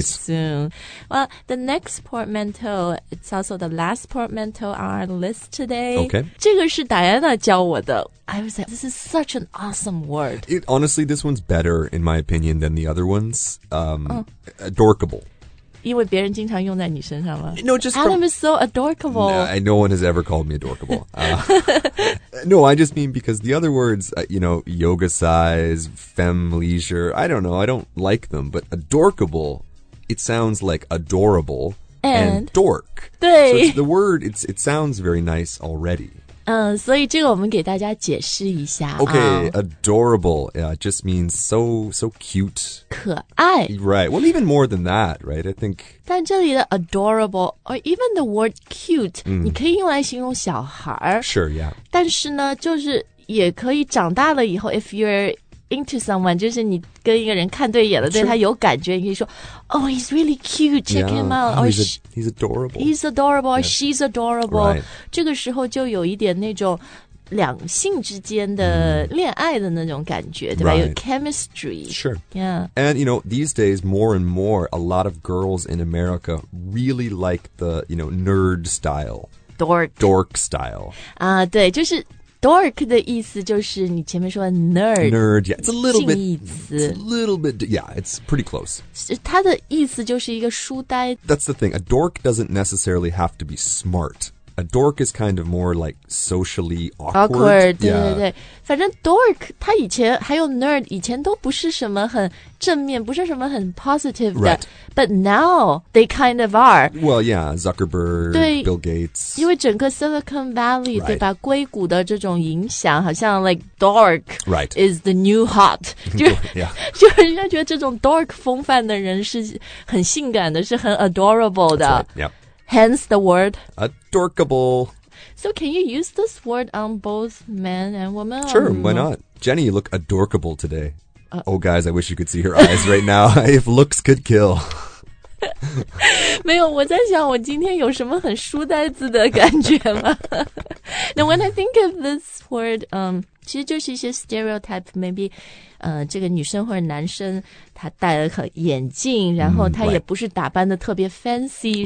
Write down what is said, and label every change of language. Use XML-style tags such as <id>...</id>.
<en>soon Well, the next portmanteau It's also the last portmanteau on our list today Okay</en> <zh>这个是Diana 教我的</zh> <en>I was like, this is such an awesome word it, Honestly, this one's better, in my opinion, than the other ones Adorkable</en> <zh>因为别人经常用在你身上吗</zh> <en>No, just Adam is so adorkable no one has ever called me adorkable No, I just mean because the other words, you know, yoga size, femleisure I don't know, I don't like them But adorkable, it sounds like adorable and dork</en> <zh>对</zh> <en>So it's the word, it's, it sounds very nice already So, this we can give you a explanation. Okay, adorable. Yeah, it just means so cute.</en> <zh>可爱</zh> <en>Right. Well, even more than that, right? I think.</en> <zh>但这里的</zh> <en>adorable, or even the word cute,、</en> <zh>你可以用来形容小孩</zh> <en>Sure, yeah.</en> <zh>但是呢，就是也可以长大了以后</zh> <en>if you're into someone,</en> <zh>就是你跟一个人看对眼了</zh> <en>sure.</en> <zh>对他有感觉你可以说</zh> <en>Oh, he's really cute, check yeah, him out. Oh, he's adorable. He's adorable, or、yeah. she's adorable.、 Right.</en> <zh>这个时候就有一点那种两性之间的恋爱的那种感觉、对吧、</zh> <en>right.</en> <zh>有 chemistry.</zh> <en>Sure. Yeah. And, you know, these days, more and more, a lot of girls in America really like the, you know, nerd style. Dork style.</en> <zh>啊、对就是Dork 的意思就是你前面说的 nerd.</zh> <en>Nerd, yeah. It's a little bit, yeah, it's pretty close.</en> <zh>它的意思就是一个书呆。</zh> <en>That's the thing. A dork doesn't necessarily have to be smart. a dork is kind of more like socially awkward.</en> <zh>Awkward, 对对对。反正 dork, 它以前还有 nerd, 以前都不是什么很正面不是什么很 positive 的。</zh> <en>Right. But now, they kind of are. Well, yeah, Zuckerberg, Bill Gates.</en> <zh>因为整个 Silicon Valley,、right. 对吧硅谷的这种影响好像 like dork、</zh> <en>right. is the new hot.</en> <zh>就人家觉得这种 dork 风范的人是很性感的是很 adorable 的。</zh> <en>Right. Yep. Hence the word. Adorkable. So can you use this word on both men and women? Sure, why not? Jenny, you look adorkable today. Oh, guys, I wish you could see her eyes right now. If looks could kill.</en> <zh>没有，我在想我今天有什么很书呆子的感觉吗？</zh> <en>Now, when I think of this word,</en> <zh>其实就是一些 stereotype, maybe, 这个女生或者男生他戴了眼镜然后他也不是打扮的特别 fancy,、</zh>